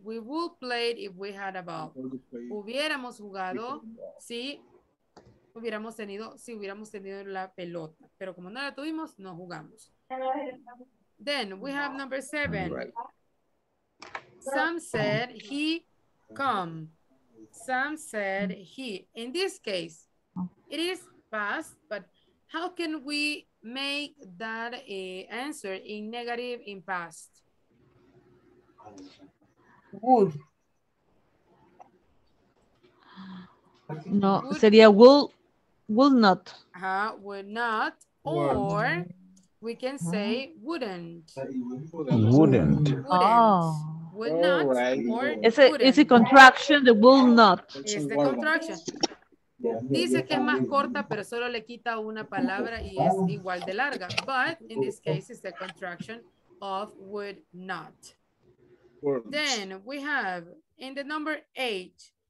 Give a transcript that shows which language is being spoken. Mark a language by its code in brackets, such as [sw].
[en] We would play if we had a ball. [es] Hubiéramos jugado si hubiéramos tenido, si hubiéramos tenido la pelota. Pero como no la tuvimos, no jugamos. [en] Then we have number seven. Sam said he come. Sam said he. In this case, it is past, but how can we make that a answer in negative in past? Would. No, would. [es] Sería [en] will not. Would not. Or we can say wouldn't. Wouldn't. Would not. It's a contraction, the will not. It's the contraction. [es] Dice que es más corta, pero solo le quita una palabra y es igual de larga. [en] But in this case, it's the contraction of would not. Then we have in the number eight,